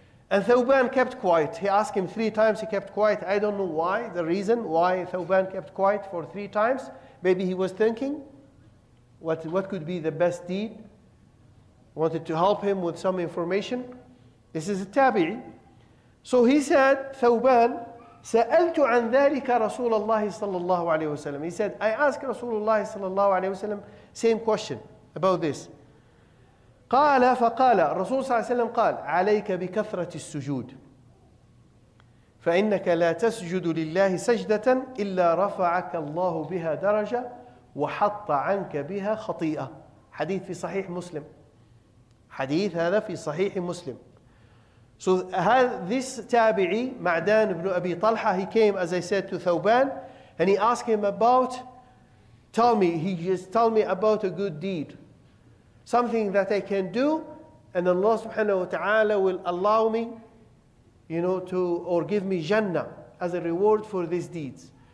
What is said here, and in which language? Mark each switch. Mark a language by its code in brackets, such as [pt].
[en] And Thawban kept quiet. He asked him three times, he kept quiet. I don't know why, the reason why Thawban kept quiet for three times. Maybe he was thinking, What could be the best deed? Wanted to help him with some information. This is a tabi'i. So he said, Thawban, [ar] سَأَلْتُ عَنْ ذَلِكَ رَسُولَ اللَّهِ صَلَى اللَّهُ عَلَيْهِ وَسَلَّمَ. [en] He said, I asked Rasulullah صلى الله عليه وسلم, same question about this. [ar] قَالَ فَقَالَ Rasul صلى الله عليه وسلم قال, عَلَيْكَ بِكَثْرَةِ السُّجُودِ فَإِنَّكَ لَا تَسْجُدُ لِلَّهِ سَجْدَةً إِلَّا رَفَعَكَ اللَّهُ بِهَا دَرَجَةً وَحَطَّ عَنْكَ بِهَا خَطِيئَةً. Hadith في صحيح مسلم. Hadith هذا في صحيح مسلم. [en] So this tabi'i, Ma'dan ibn Abi Talha, he came, as I said, to Thawban, and he asked him about, tell me about a good deed. Something that I can do, and Allah subhanahu wa ta'ala will allow me, give me Jannah as a reward for these deeds.